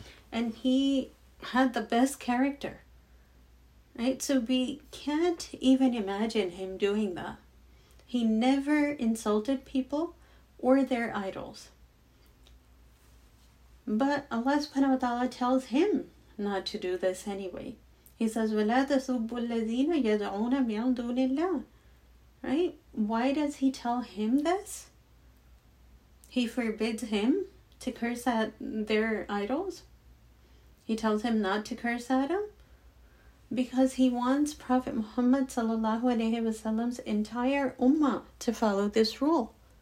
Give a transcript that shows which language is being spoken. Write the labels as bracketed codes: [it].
[en] And he had the best character, right? So we can't even imagine him doing that. He never insulted people or their idols. But Allah subhanahu wa ta'ala tells him not to do this anyway. He says, [ar] وَلَا تَسُبُّ الَّذِينَ يَدْعُونَ مِنْ دُونِ اللَّهِ, [en] right? Why does he tell him this? He forbids him to curse at their idols. He tells him not to curse at them because he wants Prophet Muhammad sallallahu alaihi wasallam's entire ummah to follow this rule.